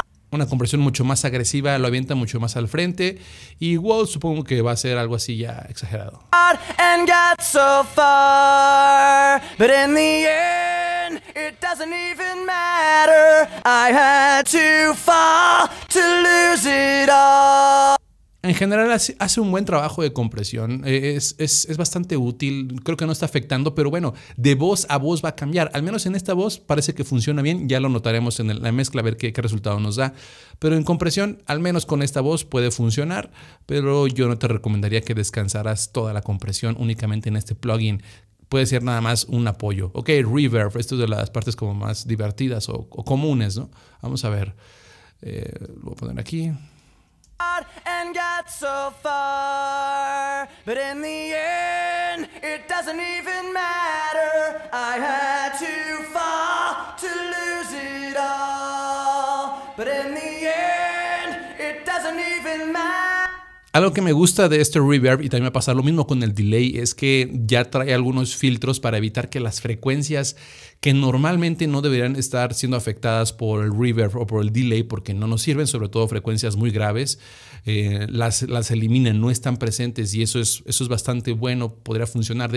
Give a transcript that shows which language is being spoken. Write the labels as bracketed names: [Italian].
[Spanish] Una compresión mucho más agresiva, lo avienta mucho más al frente. Y Walt, supongo que va a ser algo así ya exagerado. [English] And got so far, but in the end, it doesn't even matter. I had to fall to lose it all. [Spanish] En general hace un buen trabajo de compresión, es bastante útil, creo que no está afectando, pero bueno, de voz a voz va a cambiar, al menos en esta voz parece que funciona bien, ya lo notaremos en la mezcla a ver qué resultado nos da, pero en compresión al menos con esta voz puede funcionar, pero yo no te recomendaría que descansaras toda la compresión únicamente en este plugin. Puede ser nada más un apoyo. Ok, reverb, esto es de las partes como más divertidas o comunes, ¿no? Vamos a ver, lo voy a poner aquí. [English] And got so far, but in the end, it doesn't even matter. I had to fall to lose it all, but in the end, it doesn't even matter. [Spanish] Algo que me gusta de este reverb, y también va a pasar lo mismo con el delay, es que ya trae algunos filtros para evitar que las frecuencias que normalmente no deberían estar siendo afectadas por el reverb o por el delay, porque no nos sirven, sobre todo frecuencias muy graves, las eliminan, no están presentes, y eso es bastante bueno, podría funcionar.